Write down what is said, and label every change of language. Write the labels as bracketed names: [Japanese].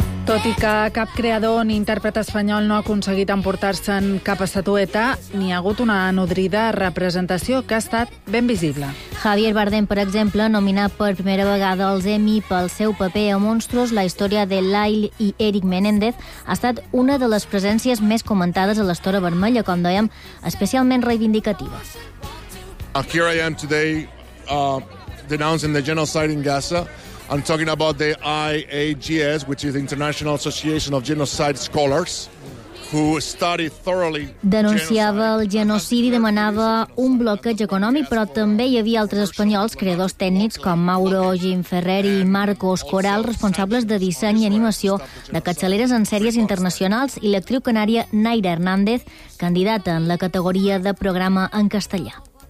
[Catalan] Tot i que cap creador ni intèrpret espanyol no ha aconseguit emportar-se'n cap estatueta, n'hi ha hagut una nodrida representació que ha estat ben visible. Javier Bardem, per exemple, nominat per primera vegada als Emmy pel seu paper a Monstruos, la història de Lyle i Eric Menéndez, ha estat una de les presències més comentades a l'Estora Vermella, com dèiem, especialment reivindicativa. [English] Here I am today denouncing the genocide in Gaza. I'm talking about the IAGS, which is the International Association of Genocide Scholars. who studied thoroughly. [Catalan] Denunciava el genocidi, demanava un bloqueig econòmic, però també hi havia altres espanyols, creadors tècnics com Mauro Gimferreri i Marcos Coral, responsables de disseny i animació de capçaleres en sèries internacionals, i l'actriu canària Naira Hernández, candidata en la categoria de programa en castellà.